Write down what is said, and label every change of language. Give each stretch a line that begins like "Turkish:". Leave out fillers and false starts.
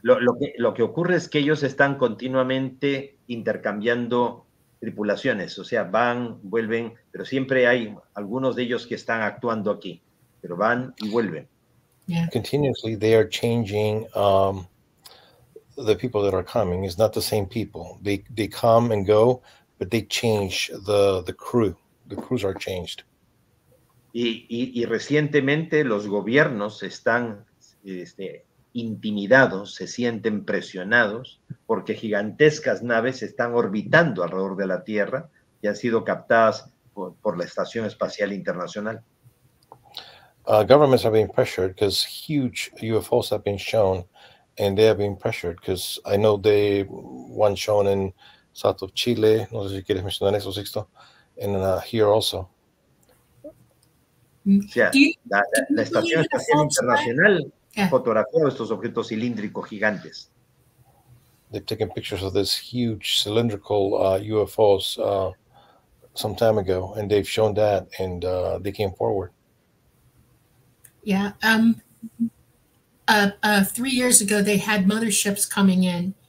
Spanish: Lo que ocurre es que ellos están continuamente intercambiando tripulaciones, o sea, van, vuelven, pero siempre hay algunos de ellos que están actuando aquí, pero van y vuelven.
English: Yeah. Continuously, they are changing the people that are coming. It's not the same people. They come and go, but they change the crew. The crews are changed.
Spanish: Y recientemente los gobiernos están intimidados, se sienten presionados porque gigantescas naves están orbitando alrededor de la Tierra y han sido captadas por la Estación Espacial Internacional.
English: Governments are being pressured because huge UFOs have been shown and they are being pressured because I know they one shown in south of Chile,
Spanish: no sé si quieres mencionar eso,
English: Sixto, and here also.
Spanish: Yeah, la Estación Espacial Internacional fotografió estos objetos cilíndricos gigantes.
English: They've taken pictures of this huge cylindrical UFOs some time ago and they've shown that and they came forward. Yeah. 3 years ago, they had motherships coming in.